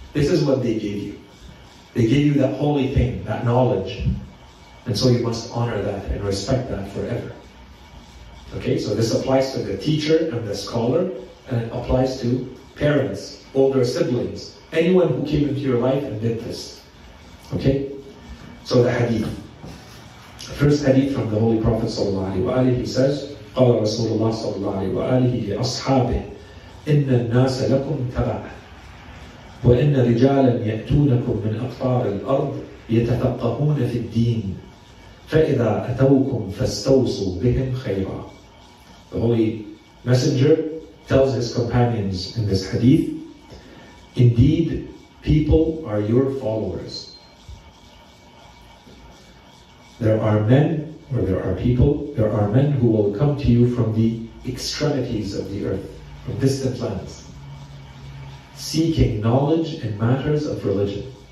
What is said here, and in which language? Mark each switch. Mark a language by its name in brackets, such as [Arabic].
[English] This is what they gave you. They gave you that holy thing, that knowledge. And so you must honor that and respect that forever. Okay, so this applies to the teacher and the scholar, and it applies to parents, older siblings, anyone who came into your life and did this. Okay, so the hadith. The first hadith from the Holy Prophet ﷺ, he says, [Arabic] قال رسول الله صلى الله عليه وآله لأصحابه إن الناس لكم تبع وإن رجالا يأتونكم من أقطار الأرض يتفقهون في الدين فَإِذَا أَتَوْكُمْ فَاسْتَوْصُوا بِهِمْ خَيْرًا. [English] The Holy Messenger tells his companions in this hadith, indeed, people are your followers. There are men who will come to you from the extremities of the earth, from distant lands, seeking knowledge in matters of religion.